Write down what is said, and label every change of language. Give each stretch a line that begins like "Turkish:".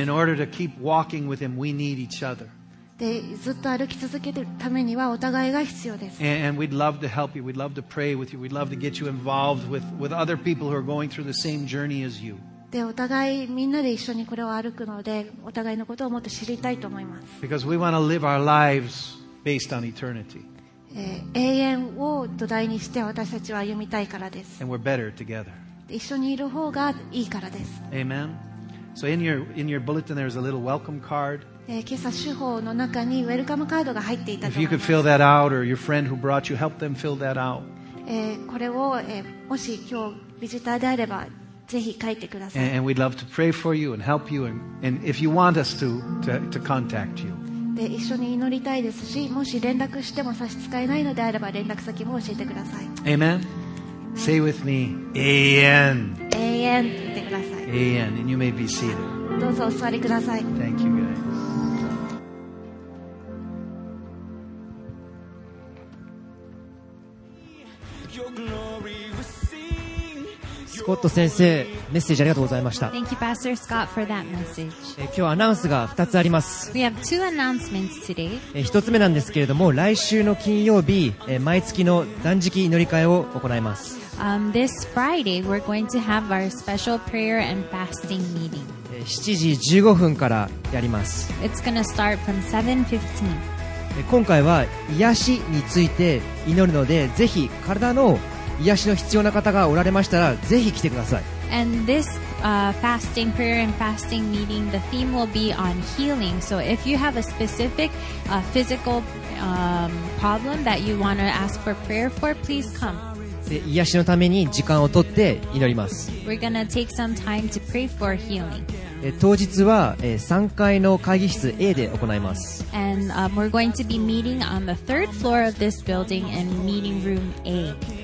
English: And in order to keep walking with him, we need each other.
Japanese: で、ずっと歩き続けるためにはお互いが必要です。
English: And we'd love to help you. We'd love to pray with you. We'd love to get you involved with other people who are going through the same journey as you.
Japanese: で、お互いみんなで一緒にこれを歩くので、お互いのことをもっと知りたいと思います。
English: Because we want to live our lives based on eternity.
Japanese: 永遠を土台にして私たちは歩みたいからです。
English: And we're better together.
Japanese: 一緒にいる方がいいからです。
English: Amen. So in your bulletin there is a little welcome card.
Japanese: 今朝手法の中にウェルカムカードが入っていたと思います。
English: If you could fill that out, or your friend who brought you, help them fill that out.
Japanese: これをもし今日ビジターであればぜひ書いてください。
English: And we'd love to pray for you and help you and if you want us to contact you.
Japanese: で一緒に祈りたいですし、もし連絡しても差し支えないのであれば連絡先も教えてください。
English: Amen. Say with me, A-N.
Japanese: A-N と言ってください。
English: A-N, and you may be seated.
Japanese: どうぞお座りください。
English: Thank you, guys.
Japanese: スコット先生、メッセージありがとうございました。
English: Thank you, Pastor Scott, for that message.
Japanese: 今日アナウンスが2つあります。
English: We have two announcements today.
Japanese: 1つ目なんですけれども、来週の金曜日、毎月の断食祈り会を行います。
English: This Friday, we're going to have our special prayer and fasting meeting.
Japanese: 7時15分からやります。
English: It's going to start from 7:15.
Japanese: 今回は癒しについて祈るので、ぜひ体の癒しの必要な方がおられましたら、ぜひ来てください。
English: And this, fasting, prayer and fasting meeting, the theme will be on healing. So if you have a specific, physical, problem that you want to ask for prayer for, please come.
Japanese: 癒しのために時間を取って祈ります。
English: We're gonna take some time to pray for healing.
Japanese: 当日は3階の会議室 A で行います。
English: And, we're going to be meeting on the third floor of this building in meeting room A.